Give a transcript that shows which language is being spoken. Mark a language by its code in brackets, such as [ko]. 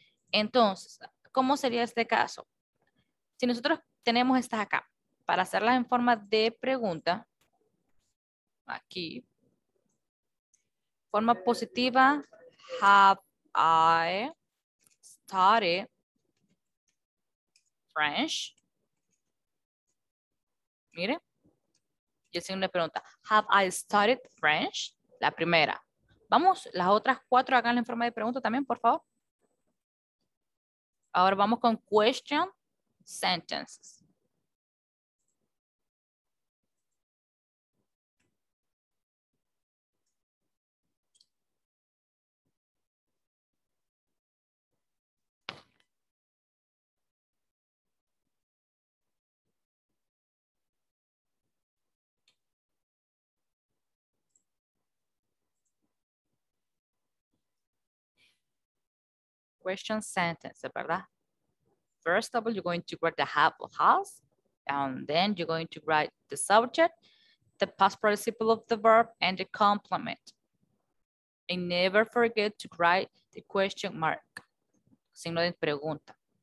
[es] Entonces, ¿cómo sería este caso? Si nosotros tenemos estas acá, para hacerlas en forma de pregunta, aquí, forma positiva, [en] have I started French? [es] Miren. Y el signo de pregunta, [en] have I started French? [es] La primera. Vamos, las otras cuatro háganlo en forma de pregunta también, por favor. Ahora vamos con question sentences. Question sentence, ¿verdad? [en] First of all, you're going to write the have or has, and then you're going to write the subject, the past participle of the verb, and the complement. And never forget to write the question mark. [es] Signo de pregunta.